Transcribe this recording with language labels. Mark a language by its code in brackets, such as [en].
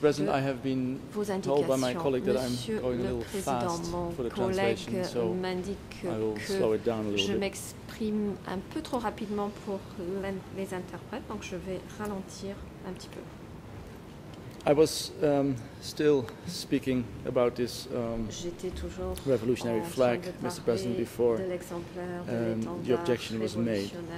[en] President, I have been told by my colleague that I'm going a little fast for the translation, so I will slow it down a little bit. [fr] Un peu trop rapidement pour les interprètes, donc je vais ralentir un petit peu. [en] I was still speaking about this revolutionary flag, Mr. President, before the objection was made.